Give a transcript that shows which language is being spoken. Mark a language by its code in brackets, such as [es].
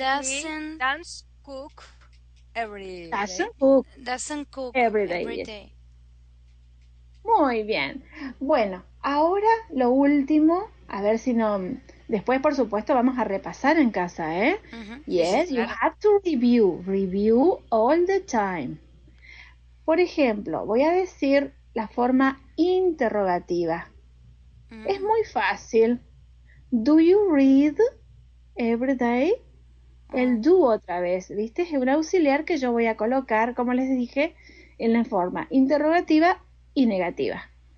[en] she doesn't cook every doesn't day. cook Doesn't cook every every day. day. [es] Muy bien. Bueno, ahora lo último, a ver si no. Después, por supuesto, vamos a repasar en casa, ¿eh? Sí, [en] Yes, you [es] claro. [en] have to review all the time. [es] Por ejemplo, voy a decir la forma interrogativa. Es muy fácil. [en] Do you read every day? [es] El do otra vez, ¿viste? Es un auxiliar que yo voy a colocar, como les dije, en la forma interrogativa y negativa.